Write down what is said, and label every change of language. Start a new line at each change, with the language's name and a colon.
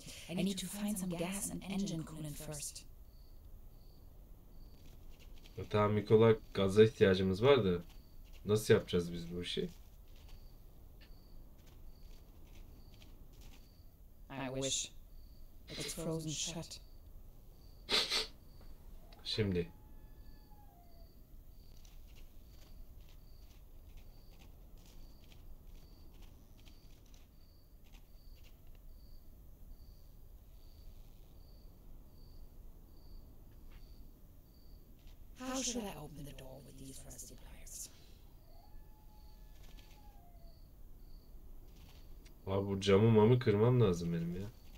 English: I need to find some gas and engine coolant first.
Turkish: Tamam Mikola, gaza ihtiyacımız var da nasıl yapacağız biz bu işi?
English: I wish. It's frozen shut.
Turkish: Şimdi.
English: How should I open the door with these rusty pliers?
Turkish: Abi bu camı mamı kırmam lazım benim ya.